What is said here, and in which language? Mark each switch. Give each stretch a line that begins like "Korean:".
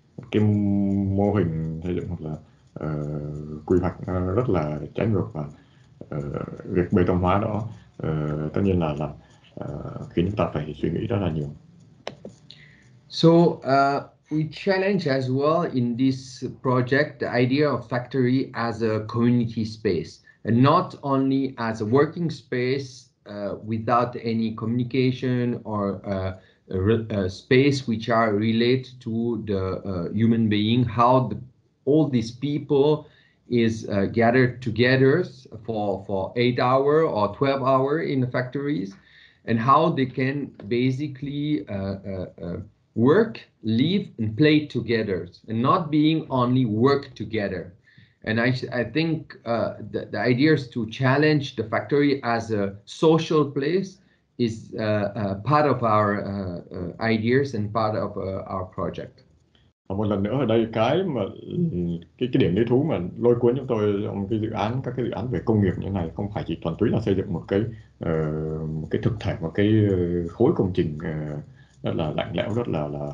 Vietnamese: cái mô hình xây dựng hoặc là quy hoạch rất là trái ngược, và việc bê tông hóa đó tất nhiên là khiến chúng ta phải suy nghĩ rất là nhiều.
English: So we challenge as well in this project the idea of factory as a community space and not only as a working space without any communication or a space which are related to the human being, how all these people is gathered together for 8 hours or 12 hours in the factories, and how they can basically work, live, and play together, and not being only work together. And I think the idea is to challenge the factory as a social place is part of our ideas and part of our project.
Vietnamese: Một lần nữa ở đây cái điểm lý thú mà lôi cuốn chúng tôi trong cái dự án, các cái dự án về công nghiệp như này không phải chỉ thuần túy là xây dựng một cái thực thể, một cái khối công trình rất là lạnh lẽo, rất là